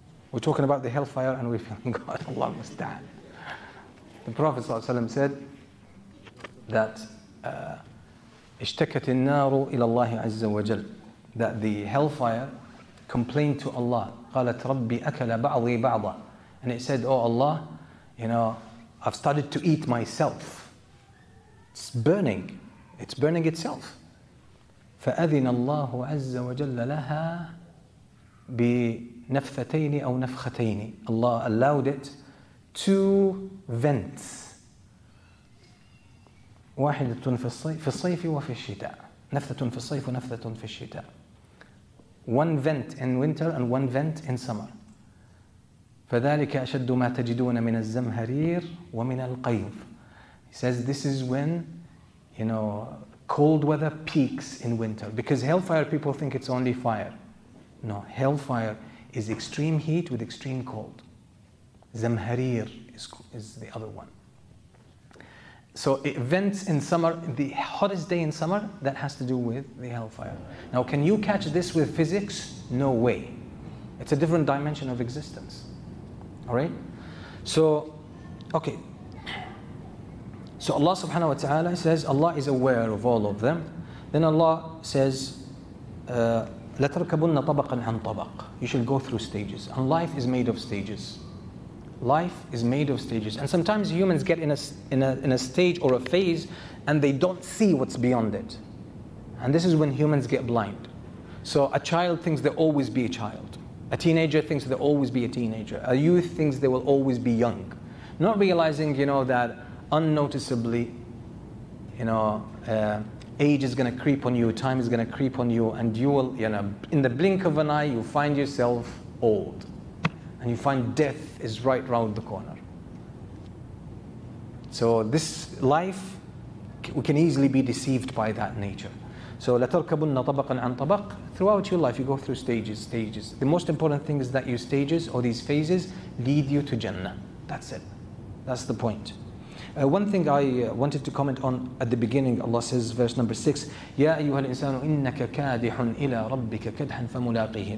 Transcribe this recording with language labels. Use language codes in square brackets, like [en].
[en] We're talking about the hellfire and we're feeling hot. Allah musta'an. The Prophet ﷺ said that [ar] اشتكت النار إلى الله عز وجل, [en] that the hellfire complained to Allah. [ar] قالت ربي أكل بعضي بعضا, [en] and it said, oh Allah, you know, I've started to eat myself. It's burning. It's burning itself. [ar] فأذن الله عز وجل لها بنفثتين أو نفختين. [en] Allah allowed it to vent. [ar] واحدة في الصيف وفي الشتاء. نفثة في الصيف ونفثة في الشتاء. [en] One vent in winter and one vent in summer. [ar] فذلك أشد ما تجدون من الزمهرير ومن القيظ. [en] He says this is when, you know, cold weather peaks in winter. Because hellfire, people think it's only fire. No, hellfire is extreme heat with extreme cold. Zamharir is the other one. So it vents in summer, the hottest day in summer, that has to do with the hellfire. Now, can you catch this with physics? No way. It's a different dimension of existence. All right? So, okay. So Allah subhanahu wa ta'ala says, Allah is aware of all of them. Then Allah says, [ar] لَتَرْكَبُنَّ طَبَقًا عَنْ طَبَقٍ. [en] You should go through stages. And life is made of stages. Life is made of stages. And sometimes humans get in a stage or a phase and they don't see what's beyond it. And this is when humans get blind. So a child thinks they'll always be a child. A teenager thinks they'll always be a teenager. A youth thinks they will always be young. Not realizing, you know, that unnoticeably, you know, age is going to creep on you, time is going to creep on you, and you will, you know, in the blink of an eye, you find yourself old. And you find death is right round the corner. So this life, we can easily be deceived by that nature. [ar] So لَتَرْكَبُنَّ طَبَقًا عَنْ طَبَقٍ. [en] Throughout your life, you go through stages. The most important thing is that your stages or these phases lead you to Jannah. That's it. That's the point. One thing I wanted to comment on at the beginning, Allah says, verse number 6, [ar] يَا أَيُّهَا الْإِنسَانُ إِنَّكَ كَادِحٌ إِلَىٰ رَبِّكَ كَدْحًا فَمُلَاقِهِ.